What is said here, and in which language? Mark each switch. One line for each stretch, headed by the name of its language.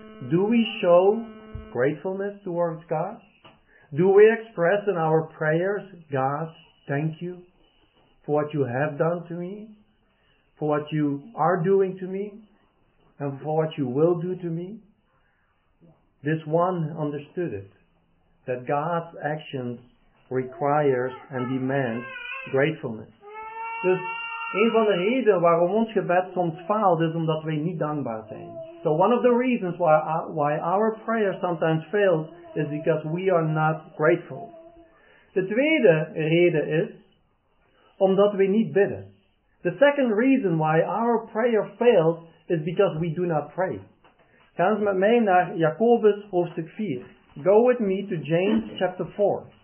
English: Do we show gratefulness towards God? Do we express in our prayers, God, thank you for what you have done to me, for what you are doing to me, and for what you will do to me? This one understood it, that God's actions requires and demands gratefulness.
Dutch: Dus een van de redenen waarom ons gebed soms faalt is omdat wij niet dankbaar zijn.
English: So one of the reasons why our prayer sometimes fails is because we are not grateful.
Dutch: De tweede reden is omdat we niet bidden.
English: The second reason why our prayer fails is because we do not pray.
Dutch: Ga eens met mij naar Jacobus hoofdstuk 4.
English: Go with me to James chapter 4.